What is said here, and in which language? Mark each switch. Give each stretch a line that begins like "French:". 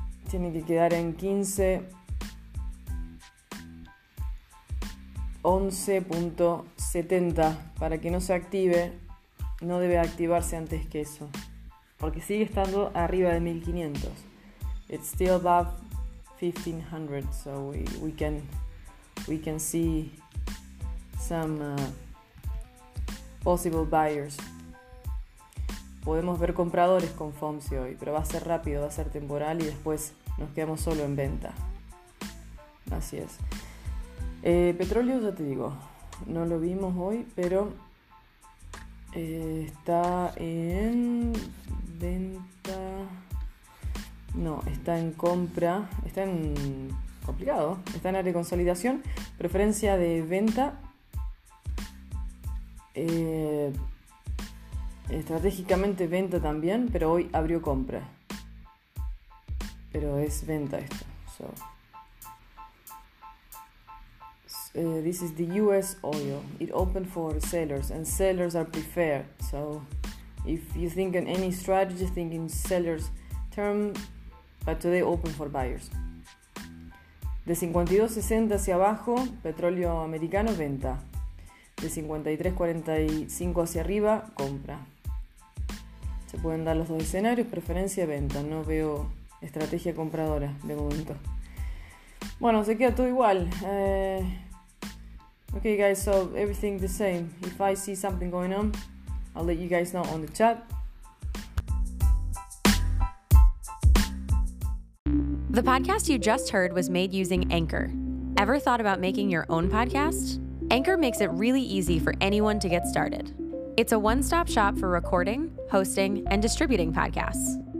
Spanish: Tiene que quedar en 15, 11.70 para que no se active. No debe activarse antes que eso, porque sigue estando arriba de 1500.
English: It's still above 1500, so we can see some possible buyers.
Spanish: Podemos ver compradores con FOMC hoy, pero va a ser rápido, va a ser temporal y después nos quedamos solo en venta. Así es. Petróleo, ya te digo, no lo vimos hoy, pero está en venta. No, está en compra. Está en complicado. Está en área de consolidación. Preferencia de venta. Estratégicamente venta también, pero hoy abrió compra. Pero es venta esto.
English: This is the US oil. It opened for sellers, and sellers are preferred. So, if you think in any strategy, think in sellers term, but today open for buyers.
Spanish: De 52.60 hacia abajo, petróleo americano, venta. De 53.45 hacia arriba, compra. Se pueden dar los dos escenarios, preferencia, venta. No veo estrategia compradora de momento. Bueno, se queda todo igual.
English: Okay, guys, so everything the same. If I see something going on, I'll let you guys know on the chat. The podcast you just heard was made using Anchor. Ever thought about making your own podcast? Anchor makes it really easy for anyone to get started. It's a one-stop shop for recording, hosting, and distributing podcasts.